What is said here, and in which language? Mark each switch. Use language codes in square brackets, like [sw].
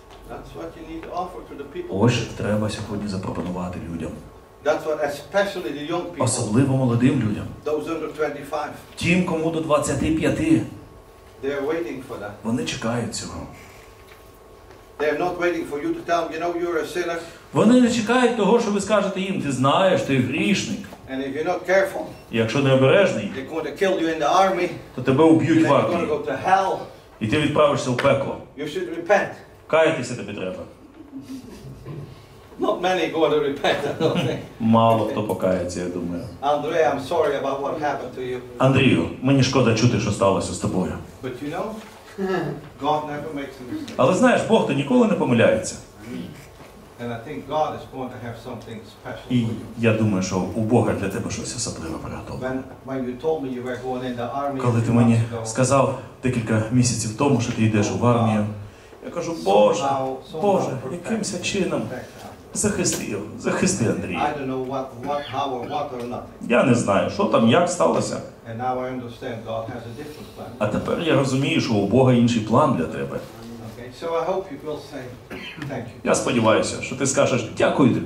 [en] That's what you need to offer to the people. [uk] Ось що треба сьогодні запропонувати людям. [en] That's what especially the young people. [uk] Особливо молодим людям. [en] Those under 25. [uk] Тим, кому до 25. [en] They are waiting for that. [uk] Вони чекають цього. [en] They are not waiting for you to tell them, you know, you're a sinner. [uk] Вони не чекають того, що ви скажете їм: "Ти знаєш, ти грішник." [en] And if you're not careful. [uk] Якщо не обережний. [en] They're going to kill you in the army. [uk] То тебе уб'ють в армії. [en] You're going to go to hell. [uk] І ти відправишся в пекло. [en] You should repent. [uk] Каятися тобі треба. [en] Not many go to repent, I don't think. [uk] Мало хто покається, я думаю. [en] Andrei, I'm sorry about what happened to you. [uk] Андрію, мені шкода чути, що сталося з тобою. [en] But you know, God never makes a mistake. [uk] Але знаєш, Бог то ніколи не помиляється. [en] And I think God is going to have something special for you. [uk] Я думаю, що у Бога для тебе щось особливе приготовлено. [en] When you told me you were going in the army. [uk] Коли ти мені сказав декілька місяців тому, що ти йдеш в армію. Я кажу: "Боже, Боже, якимось чином захисти його, захисти Андрія." [en] I don't know what how or what or nothing. [uk] Я не знаю, що там, як сталося. [en] And now I understand God has a different plan. [uk] А тепер я розумію, що у Бога інший план для тебе. [en] So I hope you will say thank you. [uk] Я сподіваюся, що ти скажеш: "Дякую тобі."